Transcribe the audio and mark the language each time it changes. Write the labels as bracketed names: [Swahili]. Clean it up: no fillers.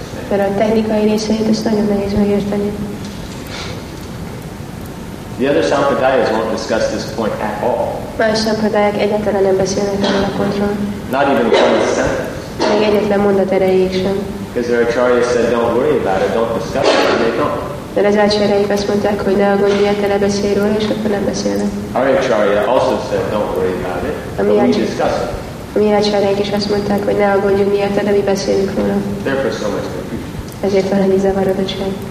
[Hungarian] Mert a technikai részeit ezt nagyon nehéz megérteni. [English] The other sampradayas won't discuss this point at all. [Hungarian] Más sampradayák egyáltalán nem beszélnek erről a pontról. [English] Not even one sentence. [Hungarian] Még egyetlen mondat erejéig sem. [English] Because their acharya said, don't worry about it, don't discuss it, and they don't. [Hungarian] De az acharyáik azt mondták, hogy ne aggódj, te ne beszélj róla, és akkor nem beszélnek. [English] Our acharya also said, don't worry about it, but we discuss it. [Hungarian] A mi acharyáik is azt mondták, hogy ne aggódjunk miért, de mi beszélünk róla. [English] Therefore so much confusion. [Hungarian] Ezért van ennyi zavarodottság.